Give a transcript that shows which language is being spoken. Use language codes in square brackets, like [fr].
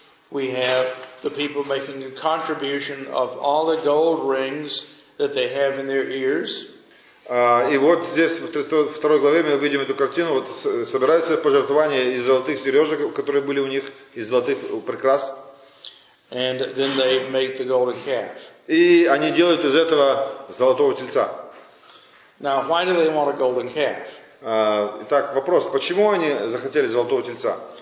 [en] we have the people making a contribution of all the gold rings that they have in their ears. [ru] И вот здесь в 32 главе мы видим эту картину. Вот собирается пожертвование из золотых сережек, которые были у них, из золотых прикрас. [en] And then they make the golden calf. [ru] И они делают из этого золотого тельца. [en] Now, why do they want a golden calf? [ru] Итак, вопрос: почему они захотели золотого тельца?